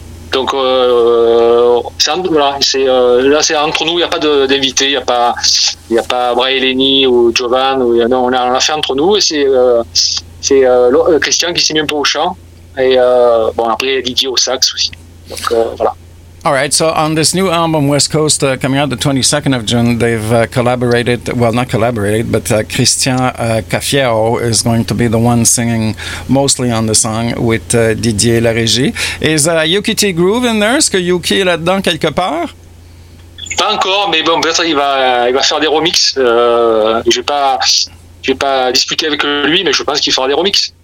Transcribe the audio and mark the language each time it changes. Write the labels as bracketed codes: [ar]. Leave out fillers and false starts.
[fr] Donc, là, c'est entre nous. Il n'y a pas d'invité. Il n'y a pas Braheleni ou Jovan. Non, on l'a fait entre nous. Et c'est Christian qui s'est mis un peu au chant. Et bon, après, Didier au sax aussi. Voilà. [en] All right, so on this new album, West Coast, coming out the 22nd of June, they've collaborated, well, not collaborated, but Christian Cafiero is going to be the one singing mostly on the song with Didier Larégie. Is Yuki T. Groove in there? [fr] Est-ce que Yuki est là-dedans quelque part? Pas encore, mais bon, peut-être il va faire des remixes. Je vais pas discuter avec lui, mais je pense qu'il fera des remixes.